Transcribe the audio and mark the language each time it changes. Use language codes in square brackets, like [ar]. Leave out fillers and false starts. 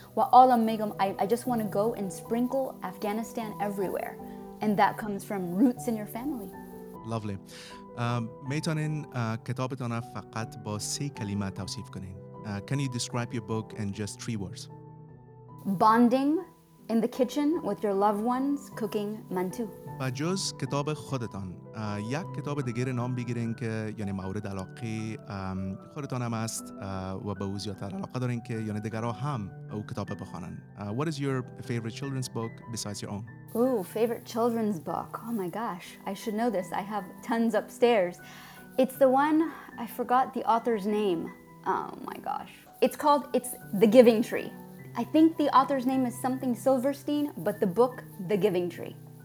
[en] و all I'm میگم I just want to go and sprinkle Afghanistan everywhere. And that comes from roots in your family. Lovely. [fa] میتونین کتابتون را فقط با سه کلمه توصیف کنین. [en] Can you describe your book in just three words? Bonding in the kitchen with your loved ones cooking mantou. [fa] با جز کتاب خودتان، یک کتاب دیگر نام بگیرین که یعنی مورد علاقه خودتان هم است و به او زیادتر علاقه دارین که یعنی دیگرها هم او کتاب بخوانن. [en] What is your favorite children's book besides your own? Ooh, favorite children's book. Oh my gosh, I should know this. I have tons upstairs. It's the one, I forgot the author's name. Oh my gosh. It's The Giving Tree. I think the author's name is something Silverstein, but the book, The Giving Tree.